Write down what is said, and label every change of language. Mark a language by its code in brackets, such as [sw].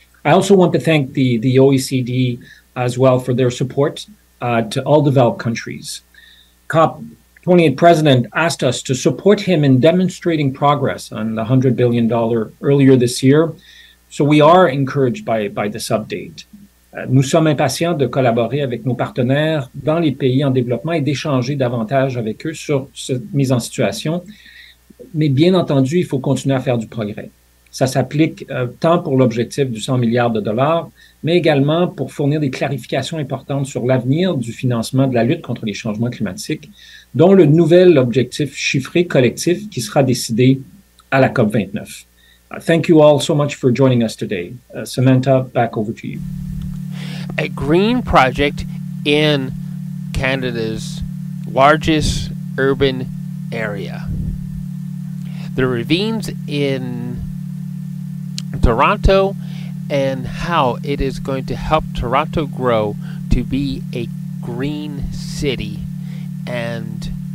[en] I also want to thank the OECD as well for their support to all developed countries. COP28 president asked us to support him in demonstrating progress on the $100 billion earlier this year. So we are encouraged by this update. [fr] Nous sommes impatients de collaborer avec nos partenaires dans les pays en développement et d'échanger davantage avec eux sur cette mise en situation. Mais bien entendu, il faut continuer à faire du progrès. Ça s'applique tant pour l'objectif du 100 milliards de dollars, mais également pour fournir des clarifications importantes sur l'avenir du financement de la lutte contre les changements climatiques, dont le nouvel objectif chiffré collectif qui sera décidé à la COP29. [en] Thank you all so much for joining us today. Samantha, back over to you. A green project in Canada's largest urban area. The ravines in Toronto and how it is going to help Toronto grow to be a green city and